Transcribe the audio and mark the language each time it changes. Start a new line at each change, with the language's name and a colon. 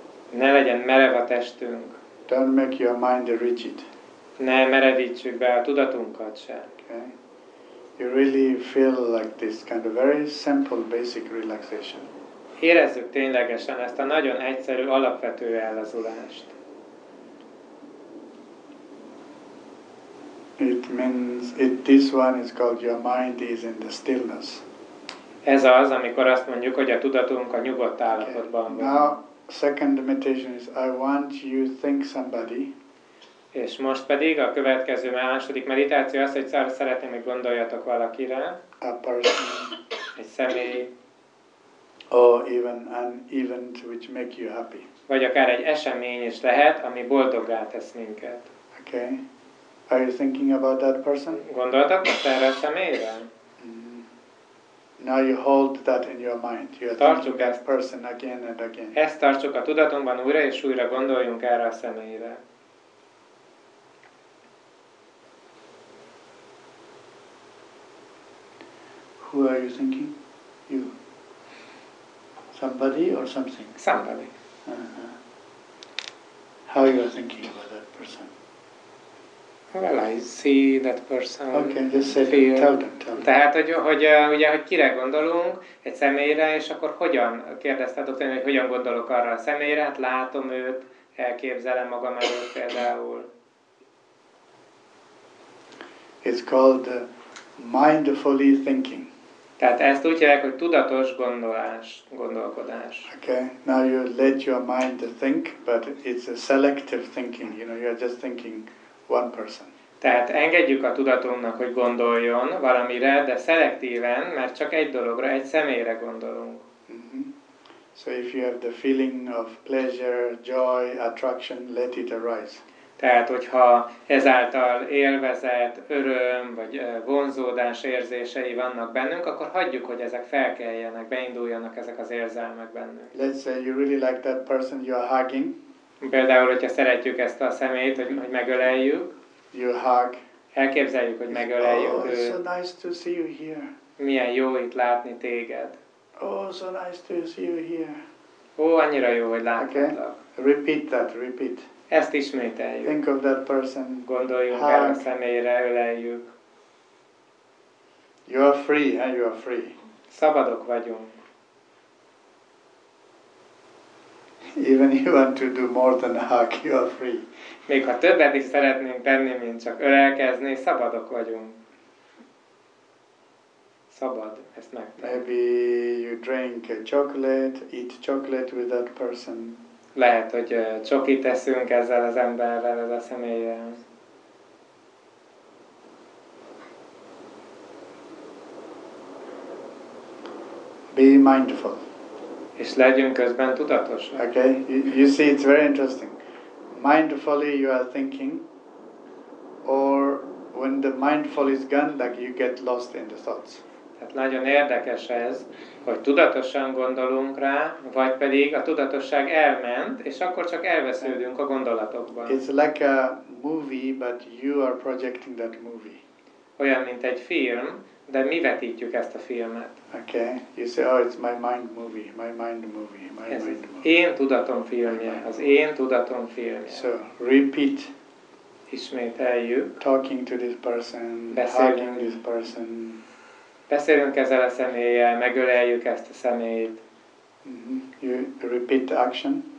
Hungarian: Ne legyen merev a testünk.
English: Don't make your mind rigid.
Hungarian: Ne merevítsük be a tudatunkat sem.
English: Okay. You really feel like this kind of very simple basic relaxation.
Hungarian: Érezzük ténylegesen ezt a nagyon egyszerű alapvető ellazulást.
English: It means it, this one is called your mind is in the stillness.
Hungarian: Ez az, amikor azt mondjuk, hogy a tudatunk a nyugodt állapotban van.
English: Okay. Now, second meditation is I want you to think somebody.
Hungarian: És most pedig a következő második meditáció az, hogy szeretném, hogy gondoljatok valakire.
English: A person.
Hungarian: Egy személy.
English: Or even an event which make you happy.
Hungarian: Vagy akár egy esemény is lehet, ami boldoggá tesz minket.
English: Okay. Are you thinking about that person?
Hungarian: Gondoltak most erre a személyre?
English: Now you hold that in your mind. You are
Hungarian: tartsuk
English: thinking that person again and again.
Hungarian: Ezt tartsuk a tudatunkban újra és újra, gondoljunk erre a személyre.
English: Who are you thinking? You. Somebody or something? Somebody. Uh-huh. How you are thinking about that person? Well, I see that person. Okay, just say feel. Tell them.
Hungarian: Tehát, hogy ugye, hogy kire gondolunk egy személyre, és akkor hogyan, kérdezted a doktor, hogy hogyan gondolok arra a személyre, hát látom őt, elképzelem magam előtt például.
English: It's called mindfully thinking.
Hungarian: Tehát ezt úgy hívják, hogy tudatos gondolás, gondolkodás.
English: Okay, now you let your mind think, but it's a selective thinking, you know, you're just thinking one person.
Hungarian: Tehát engedjük a tudatunknak, hogy gondoljon valamire, de szelektíven, mert csak egy dologra, egy személyre gondolunk. Mm-hmm.
English: So if you have the feeling of pleasure, joy, attraction, let it arise.
Hungarian: Tehát, hogyha ezáltal élvezet, öröm vagy vonzódás érzései vannak bennünk, akkor hagyjuk, hogy ezek felkeljenek, beinduljanak ezek az érzelmek bennünk.
English: Let's say you really like that person you are hugging.
Hungarian: Például, hogyha szeretjük ezt a szemét, hogy megöleljük.
English: You hug.
Hungarian: Elképzeljük, hogy megöleljük őt.
English: Oh, so nice to see you here.
Hungarian: Milyen jó itt látni téged.
English: Oh, so nice to see you here.
Hungarian: Ó, annyira jó, hogy láthatlak.
English: Okay. Repeat that, repeat.
Hungarian: Ezt ismételjük.
English: Think of that person.
Hungarian: Gondoljunk
English: hug.
Hungarian: El a személyre, öleljük.
English: You are free, and you are free.
Hungarian: Szabadok vagyunk.
English: Even if you want to do more than hug, you are free.
Hungarian: Még ha többet is szeretnénk tenni, mint csak ölelkezni, szabadok vagyunk. Szabad, ezt megtenni.
English: Maybe you drink chocolate, eat chocolate with that person.
Hungarian: Lehet, hogy csokit eszünk ezzel az emberrel, ez a személlyel.
English: Be mindful.
Hungarian: És legyünk közben tudatos.
English: Okay, you see, it's very interesting. Mindfully you are thinking, or when the mindful is gone, like you get lost in the thoughts.
Hungarian: Tehát nagyon érdekes ez, hogy tudatosan gondolunk rá, vagy pedig a tudatosság elment, és akkor csak elvesződünk a gondolatokban.
English: It's like a movie, but you are projecting that movie.
Hungarian: Olyan, mint egy film, de mi vetítjük ezt a filmet.
English: Okay, you say, oh, it's my mind movie.
Hungarian: Én tudatom filmje, az én tudatom filmje.
English: So, repeat.
Hungarian: Ismételjük.
English: Talking to this person,
Hungarian: beszélünk.
English: Hugging this person.
Hungarian: Beszélünk ezzel a személlyel, megöleljük ezt a személyt.
English: You repeat the action.